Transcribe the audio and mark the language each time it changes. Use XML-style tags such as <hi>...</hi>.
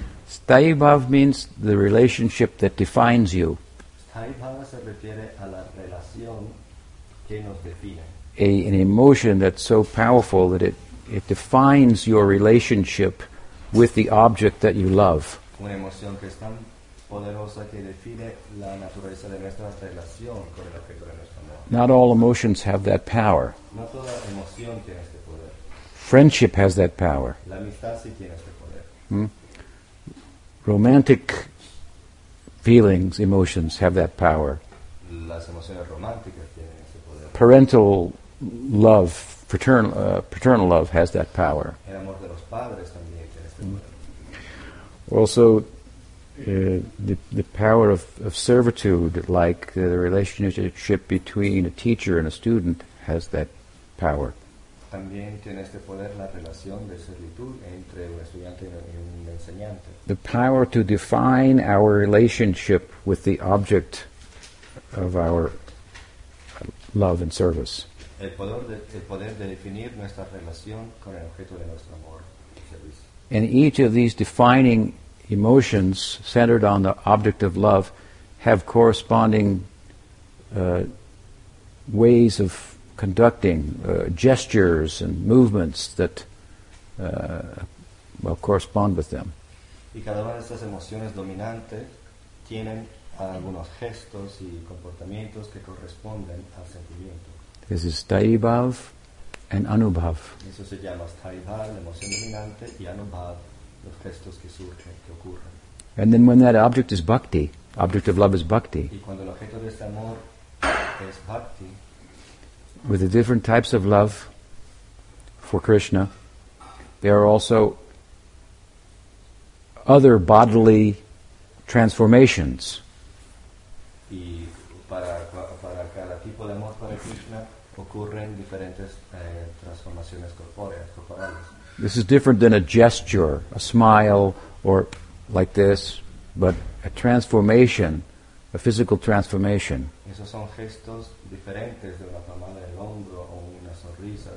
<en>Sthayi bhava means the relationship that defines you.</en> <es>Sthayi bhava se refiere a la relación que nos define.</es> <en>An emotion that's so powerful that it defines your relationship with the object that you love.</en> <es>Una emoción que es tan poderosa que define la naturaleza de nuestra relación con el objeto de nuestro amor.</es> <en>Not all emotions have that power.</en> <es>No toda emoción tiene este poder.</es> <en>Friendship has that power.</en> <es>La amistad sí tiene este poder.</es> <en>Romantic feelings, emotions have that power.</en> <es>Las emociones románticas tienen ese poder.</es> <en>Parental love, paternal love has that power.</en> <es>El amor de los padres también tiene este poder.</es> <en>Also, the power of servitude, like the relationship between a teacher and a student, has that power.</en> <es>También tiene este poder la relación de servitud entre un estudiante y un enseñante.</es> <en>The power to define our relationship with the object of our love and service.</en> <es>El poder de definir nuestra relación con el objeto de nuestro amor y servicio.</es> <en>And each of these defining emotions centered on the object of love have corresponding ways of conducting, gestures and movements that correspond with them.</en> <es>Y cada una de estas emociones dominantes tienen algunos gestos y comportamientos que corresponden al sentimiento.</es> <en>This is sthayi bhav and anubhav.</en> <es>Eso se llama sthayi bhav, la emoción dominante, y anubhav. Los gestos que surgen, que ocurren.</es> <en>And then when that object is bhakti, object of love is bhakti.</en> <es>Y cuando el objeto de este amor es bhakti,</es> <en>with the different types of love for Krishna, there are also other bodily transformations.</en> <es>Y para cada tipo de amor para Krishna ocurren diferentes transformaciones corporales.</es> <en>This is different than a gesture, a smile, or like this, but a transformation, a physical transformation.</en> <es>Esos son gestos diferentes de una palmada del hombro o una sonrisa.</es>